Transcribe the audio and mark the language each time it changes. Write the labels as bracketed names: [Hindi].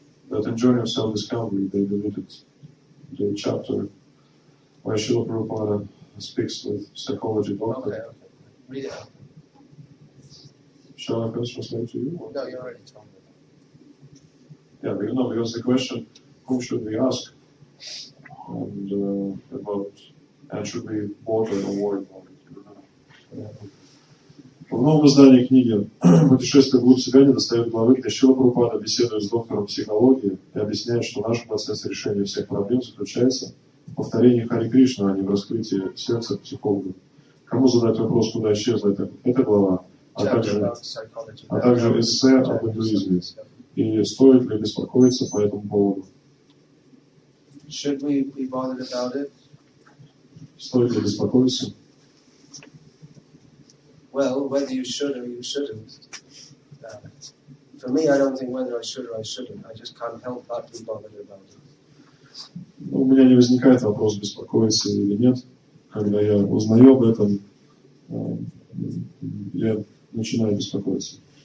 [English] That in Journey of Self-Discovery, they deleted the chapter where Srila Prabhupada speaks with psychology doctor. Okay. Read it. Shall I first translate to you? Or? No, you already told me. Yeah, but you know, because the question, whom should we ask, and about. And should be bought or awarded. [Russian] В новом издании книги «Путешествие в глубь себя» недостает главы, где Шрила Прабхупада беседует с доктором психологии и объясняет, что наш процесс решения всех проблем заключается в повторении Хари Кришна, а не в раскрытии сердца психолога. Кому задать вопрос, куда исчезла эта глава, а также эссе об индуизме? И стоит ли беспокоиться по этому поводу? [English] Should we be bothered about it? [Russian] Стоит ли беспокоиться? [English] Well, whether you should or you shouldn't. For me, I don't think whether I should or I shouldn't. I just can't help but be bothered about it. [Russian] Ну, у меня не возникает вопрос, беспокоиться или нет. Когда я узнаю об этом, я начинаю беспокоиться.